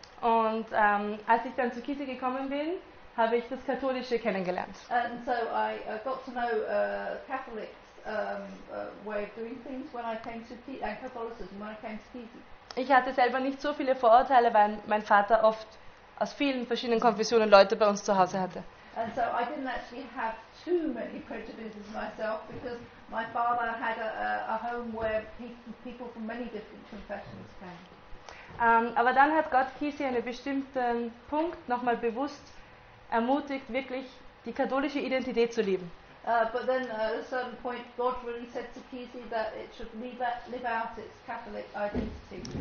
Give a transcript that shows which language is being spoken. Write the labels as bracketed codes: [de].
[de] Und als ich dann zur Kirche gekommen bin, habe ich das Katholische kennengelernt. [en] And so I got to know Catholics way of doing things when I came to Kirche, and Catholicism when I came to Kirche. [de] Ich hatte selber nicht so viele Vorurteile, weil mein Vater oft aus vielen verschiedenen Konfessionen Leute bei uns zu Hause hatte. [en] And so I didn't actually have too many prejudices myself because my father had a home where people from many different confessions came. [de] Aber dann hat Gott Kisi einen bestimmten Punkt nochmal bewusst ermutigt, wirklich die katholische Identität zu leben. [en] But then at a certain point God really said to Kisi that it should live out its Catholic identity.